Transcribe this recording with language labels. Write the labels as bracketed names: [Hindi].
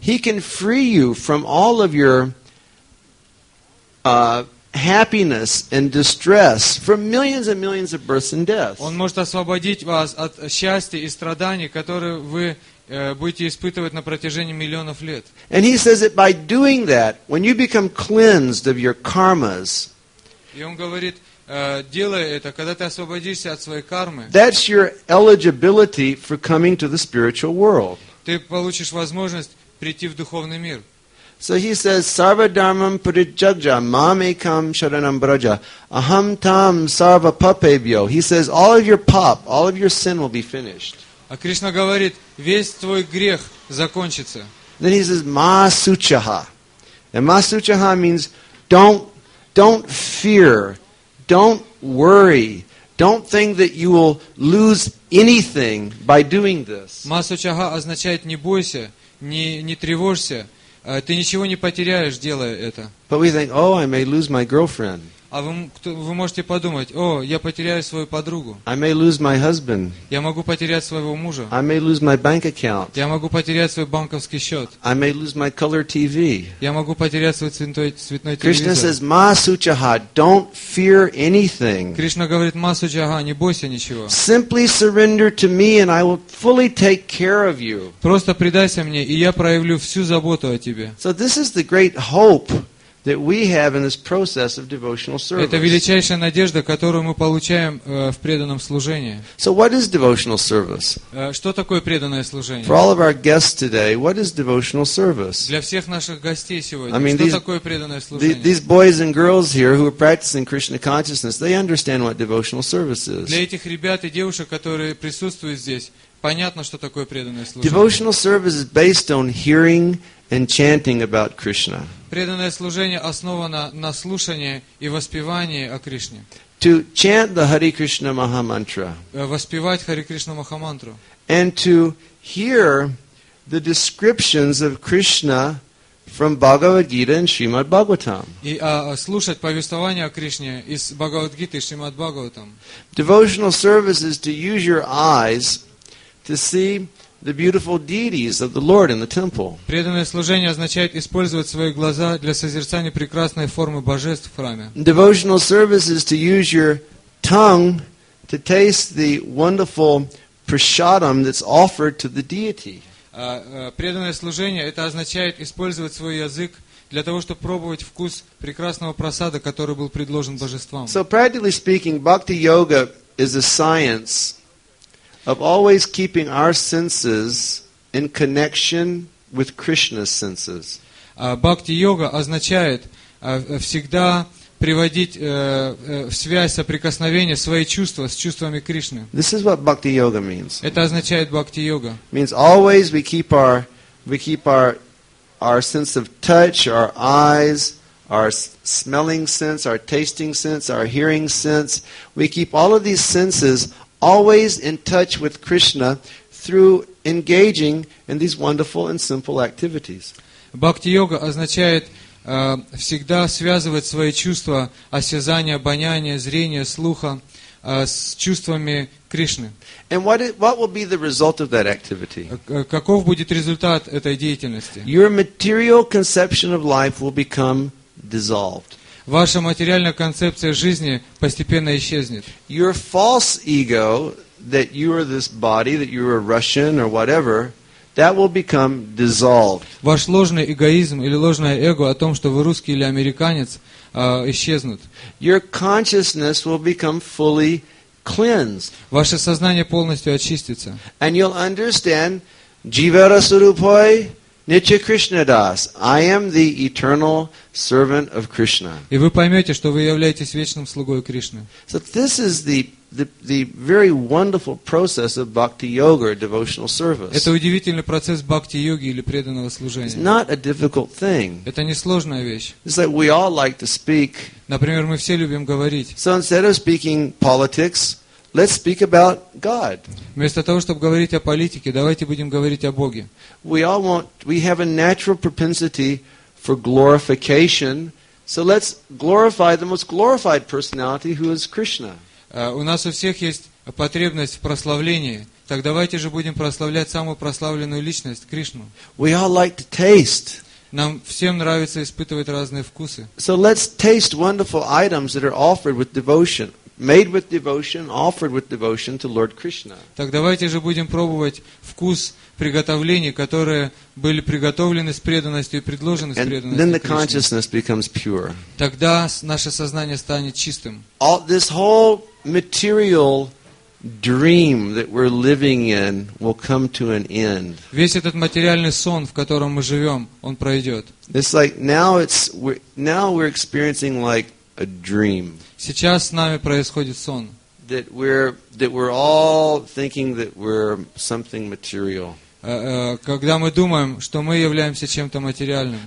[English] He can free you from all of your happiness and distress from millions and millions of births and deaths. [Russian] Он может освободить вас от счастья и страданий, которые вы будете испытывать на протяжении миллионов лет. [English] And he says that by doing that, when you become cleansed of your karmas. [Russian] И он говорит, делая это, когда ты освободишься от своей кармы. [English] That's your eligibility for coming to the spiritual world. [Russian] Ты получишь возможность прийти в духовный мир. [English] So he says, [Sanskrit] Sarva Dharmam Parijaja, Mamekam Sharanam Braja, Aham Tam Sarva Papebhyo. [English] He says, all of your pop, all of your sin will be finished. [Russian] А Кришна говорит, весь твой грех закончится. [English] Then he says, Masuchaha. And Masuchaha means, don't fear, don't worry, don't think that you will lose anything by doing this. [Russian] Масучага означает не бойся, не тревожься, ты ничего не потеряешь, делая это. [English] But we think, oh, I may lose my girlfriend. [Russian] А вы можете подумать, о, я потеряю свою подругу. [English] I may lose my husband. [Russian] Я могу потерять своего мужа. [English] I may lose my bank account. [Russian] Я могу потерять свой банковский счет. [English] I may lose my color TV. [Russian] Я могу потерять свой цветной телевизор. [English] Krishna says, Masuchaha, don't fear anything. [Russian] Кришна говорит, Масучага, не бойся ничего. [English] Simply surrender to me, and I will fully take care of you. [Russian] Просто предайся мне, и я проявлю всю заботу о тебе. [English] So this is the great hope that we have in this process of devotional service. [Russian] Это величайшая надежда, которую мы получаем в преданном служении. [English] So what is devotional service? [Russian] Что такое преданное служение? [English] For all of our guests today, what is devotional service? [Russian] Для всех наших гостей сегодня, что такое преданное служение? [English] These boys and girls here who are practicing Krishna consciousness, they understand what devotional service is. [Russian] Для этих ребят и девушек, которые присутствуют здесь, понятно, что такое преданное служение. [English] Devotional service is based on hearing and chanting about Krishna. [Russian] Преданное служение основано на слушании и воспевании о Кришне. [English] To chant the Hare Krishna Maha Mantra. [Russian] Воспевать Хари Кришна Маха Мантру. [English] And to hear the descriptions of Krishna from Bhagavad Gita and Srimad Bhagavatam. [Russian] И слушать повествования о Кришне из Бхагавад Гиты и Шримад Бхагаватам. [English] Devotional service is to use your eyes to see the beautiful deities of the Lord in the temple. [Russian] Преданное служение означает использовать свои глаза для созерцания прекрасной формы божеств в храме. [English] Devotional service is to use your tongue to taste the wonderful prasadam that's offered to the deity. [Russian] Преданное служение это означает использовать свой язык для того, чтобы пробовать вкус прекрасного просада, который был предложен божествам. [English] So practically speaking, bhakti yoga is a science of always keeping our senses in connection with Krishna's senses. [Russian] Бхакти-йога означает всегда приводить в связь соприкосновение свои чувства с чувствами Кришны. [English] This is what bhakti-yoga means. [Russian] Это означает бхакти-йога. [English] Means always we keep our sense of touch, our eyes, our smelling sense, our tasting sense, our hearing sense. We keep all of these senses always in touch with Krishna through engaging in these wonderful and simple activities. [Russian] Бхакти-йога означает всегда связывать свои чувства, осязание, обоняние, зрение, слуха с чувствами Кришны. [English] And what will be the result of that activity? [Russian] Каков будет результат этой деятельности? [English] Your material conception of life will become dissolved. [Russian] Ваша материальная концепция жизни постепенно исчезнет. [English] Your false ego, that you are this body, that you are Russian or whatever, That will become dissolved. [Russian] Ваш ложный эгоизм или ложное эго о том, что вы русский или американец, исчезнут. [English] Your consciousness will become fully cleansed. [Russian] Ваше сознание полностью очистится. [English] And you'll understand [Sanskrit] Jivara Surupoi Nitya Krishnadas. [English] I am the eternal servant of Krishna. [Russian] И вы поймете, что вы являетесь вечным слугой Кришны. [English] So this is the very wonderful process of bhakti yoga, devotional service. [Russian] Это удивительный процесс бхакти йоги или преданного служения. [English] It's not a difficult thing. [Russian] Это не сложная вещь. [English] It's like we all like to speak. [Russian] Например, мы все любим говорить. [English] So instead of speaking politics, let's speak about God. [Russian] Вместо того, чтобы говорить о политике, давайте будем говорить о Боге. [English] We have a natural propensity for glorification, so let's glorify the most glorified personality, who is Krishna. [Russian] У нас у всех есть потребность в прославлении. Так давайте же будем прославлять самую прославленную личность, Кришну. [English] We all like to taste. [Russian] Нам всем нравится испытывать разные вкусы. [English] So let's taste wonderful items that are offered with devotion, made with devotion, offered with devotion to Lord Krishna. [Russian] Так давайте же будем пробовать вкус приготовлений, которые были приготовлены с преданностью и предложены с преданностью. [English] And then the consciousness becomes pure. [Russian] Тогда наше сознание станет чистым. [English] All this whole material dream that we're living in will come to an end. [Russian] Весь этот материальный сон, в котором мы живем, он пройдет. [English] It's like now we're experiencing like a dream. [Russian] Сейчас с нами происходит сон. [English] That we're all thinking that we're something material. [Russian] Когда мы думаем, что мы являемся чем-то материальным.